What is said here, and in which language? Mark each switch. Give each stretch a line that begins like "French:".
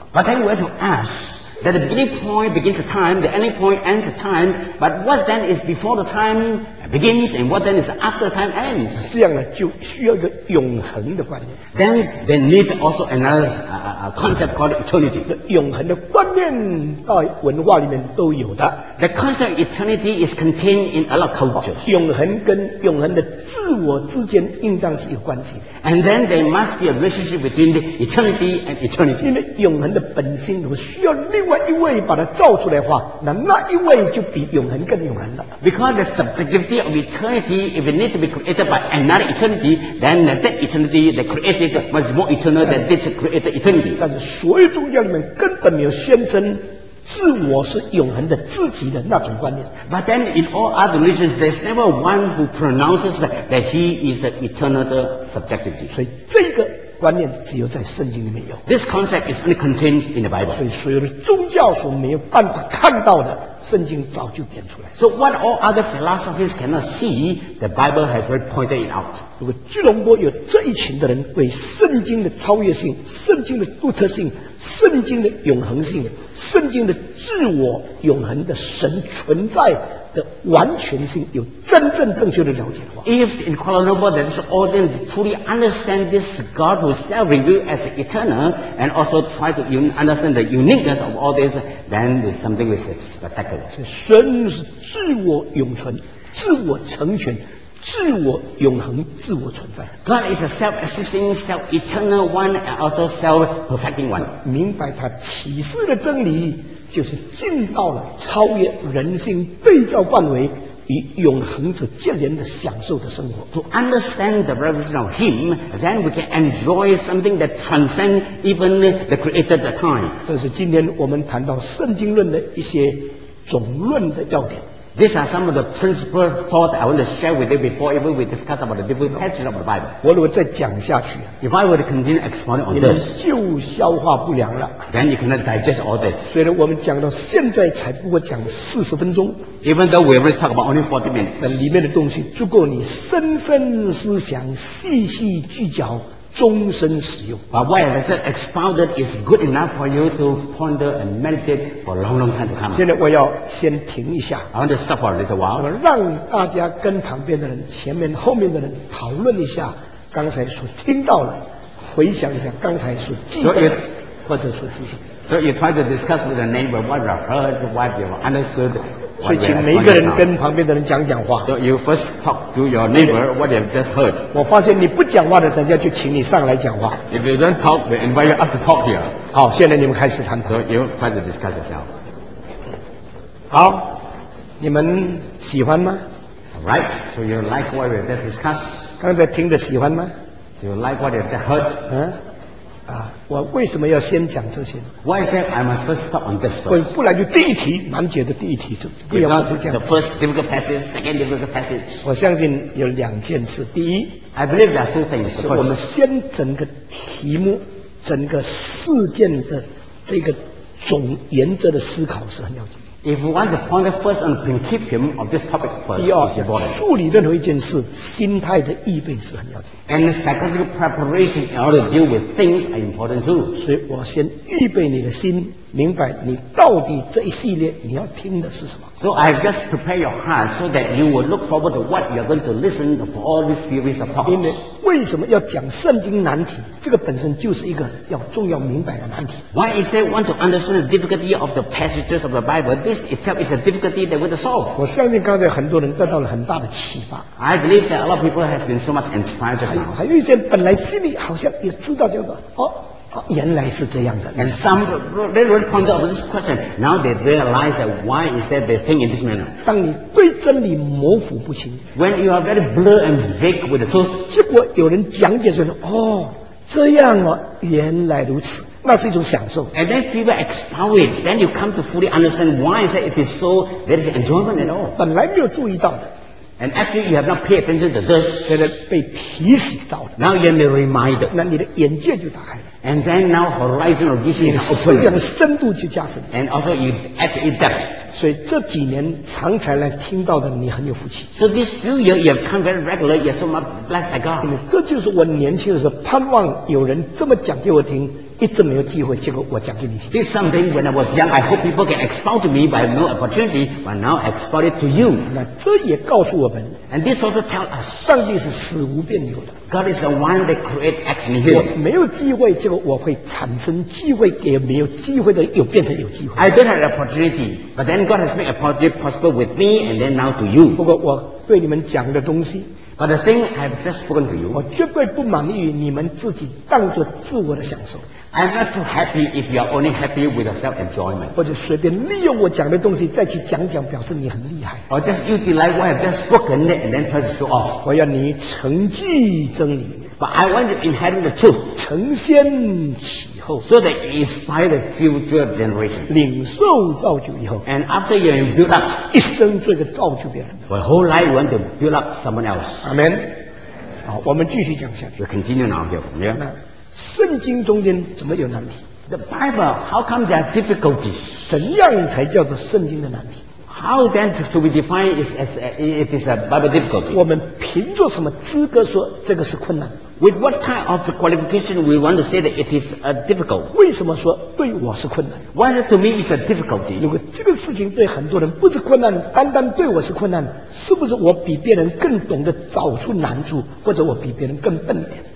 English: But then we have to ask that the beginning point begins the time, the ending point ends the time, but what then is before the time begins and what then is after the time ends?
Chinese: 这样呢就需要一个永恒的观念。
English: Then they need also another concept called eternity.
Chinese: 永恒的观念在文化里面都有的。
English: The concept of eternity is contained in a lot of cultures.
Chinese: 永恒跟永恒的自我之间应当是有关系。
English: And then there must be a relationship between the eternity and eternity.
Chinese: 因为永恒的本心如果需要另外一位把它造出来的话，那那一位就比永恒更永恒了。
English: Because the subjectivity of eternity, if it needs to be created by another eternity, then that eternity that created must be more eternal than this created eternity.
Chinese: 但是所有宗教里面根本没有宣称自我是永恒的自己的那种观念。
English: But then in all other religions, there's never one who pronounces that he is the eternal the subjectivity.
Chinese: 所以这个观念只有在圣经里面有。
English: This concept is only contained in the Bible.
Chinese: 所以所有的宗教所没有办法看到的，圣经早就点出来。
English: So what all other philosophies cannot see, the Bible has already pointed it out.
Chinese: 如果吉隆坡有这一群的人为圣经的超越性、圣经的独特性、圣经的永恒性、圣经的自我永恒的神存在的完全性有真正正确的了解的话，
English: If in Kuala Lumpur there is audience truly understand this God who self revealed as eternal and also try to understand the uniqueness of all this, then there is something which is spectacular.
Chinese: 神是自我永存、自我成全、自我永恒、自我存在。
English: God is a self-existing, self-eternal one and also self-perfecting one.
Chinese: 明白他启示的真理就是进到了超越人性被造范围与永恒者接连的享受的生活。
English: To understand the revelation of him, then we can enjoy something that transcends even the created time.
Chinese: 这是今天我们谈到圣经论的一些总论的要点。
English: These are some of the principal thoughts I want to share with you before even we discuss about the different passages of the Bible.
Chinese: 我如果再讲下去，
English: If I were to continue expounding on this,
Chinese: 就消化不良了。
English: Then you cannot digest all this.
Chinese: 虽然我们讲到现在才不过讲40分钟，
English: Even though we already talk about only 40 minutes,
Chinese: 但里面的东西足够你深深思想、细细聚焦、终身使用。
English: But what I said expounded is good enough for you to ponder and meditate for a long, long time to come.
Chinese: 现在我要先停一下。
English: I want to stop for a little while.
Chinese: 让大家跟旁边的人、前面、后面的人讨论一下刚才所听到的，回想一下刚才所记得或者所提醒。
English: So you try to discuss with the neighbor what you heard, what you understood.
Chinese: 所以请每一个人跟旁边的人讲讲话。
English: So you first talk to your neighbor what you have just heard.
Chinese: 我发现你不讲话的，等下就请你上来讲话。
English: If you don't talk, we invite you up to talk here.
Chinese: 好，现在你们开始谈谈。
English: So you try to discuss yourself.
Chinese: 好，你们喜欢吗？
English: Right. So you like what we have just discussed?
Chinese: 刚才听的喜欢吗？
English: Do you like what you have just heard?
Chinese: 我为什么要先讲这些？
English: Why is that I must first stop on this first?
Chinese: 不然就第一题难解的第一题就不要这样。
English: The first difficult passage, second difficult passage.
Chinese: 我相信有两件事。第一，
English: I believe there are two things.
Chinese: 是我们先整个题目、整个事件的这个总原则的思考是很要紧。
English: If we want to point the first and principle of this topic first, it's important.
Chinese: 处理任何一件事，心态的预备是很要紧。
English: And the psychological preparation in order to deal with things are important too.
Chinese: 所以我先预备你的心，明白你到底这一系列你要听的是什么。
English: So I have just prepared your heart so that you will look forward to what you are going to listen to for all this series of talks.
Chinese: 因为为什么要讲圣经难题？这个本身就是一个要重要明白的难题。
English: Why is that want to understand the difficulty of the passages of the Bible? This itself is a difficulty that we have to solve.
Chinese: 我相信刚才很多人得到了很大的启发。
English: I believe that a lot of people have been so much inspired just now.
Chinese: 还有一些本来心里好像也知道这个，原来是这样的。
English: And some really pointed out this question. Now they realize that why is that they think in this manner.
Chinese: 当你对真理模糊不清，
English: When you are very blurred and vague with the truth，
Chinese: 结果有人讲解说，这样啊，原来如此，那是一种享受。
English: And then people expound it, then you come to fully understand why is that it is so, there is enjoyment at all.
Chinese: 本来没有注意到的。
English: And actually you have not paid attention to this.
Chinese: 现在被提醒到了。
English: Now you have been reminded.
Chinese: 那你的眼界就打开了。
English: And then now horizon of vision is open.
Chinese: 你的思想深度就加深。
English: And also you add to it depth.
Chinese: 所以这几年常才来听到的，你很有福气。
English: So these few years you have come very regularly, you're so much blessed by God.
Chinese: 这就是我年轻的时候盼望有人这么讲给我听，一直没有机会，结果我讲给你听。
English: This something when I was young, I hope people can expound to me, but I have no opportunity. But now I expound it to you.
Chinese: 那这也告诉我们
English: ，And this also tells us,
Chinese: 上帝是死无变流的。
English: God is the one that creates acts in here.
Chinese: 我没有机会，结果我会产生机会，给没有机会的又变成有机会。
English: I don't have an opportunity, but then God has made an opportunity possible with me, and then now to you.
Chinese: 不过我对你们讲的东西。
English: But the thing I have just spoken to you,
Chinese: 我绝对不满意你们自己当作自我的享受。
English: I'm not too happy if you are only happy with your self-enjoyment.
Chinese: 或者随便利用我讲的东西再去讲讲，表示你很厉害。
English: Or just utilize what I have just spoken it and then try to show off.
Chinese: 我要你承继真理。
English: But I want you to inherit the truth.
Chinese: 承先启后。
English: So that you inspire the future generation.
Chinese: 领受造就以后。
English: And after you have built up,
Chinese: 一生做一个造就别人。
English: For a whole life, you want to build up someone else.
Chinese: Amen. 好，我们继续讲下去。
English: We'll continue now here. Yeah.
Chinese: 圣经中间怎么有难题
English: ？The Bible, how come there are difficulties?
Chinese: 怎样才叫做圣经的难题
English: ？How then should we define it as it is a Bible difficulty?
Chinese: 我们凭着什么资格说这个是困难
English: ？With what kind of qualification we want to say that it is a difficult?
Chinese: 为什么说对我是困难
English: ？Why to me is a difficulty?
Chinese: 如果这个事情对很多人不是困难，单单对我是困难，是不是我比别人更懂得找出难处，或者我比别人更笨一点？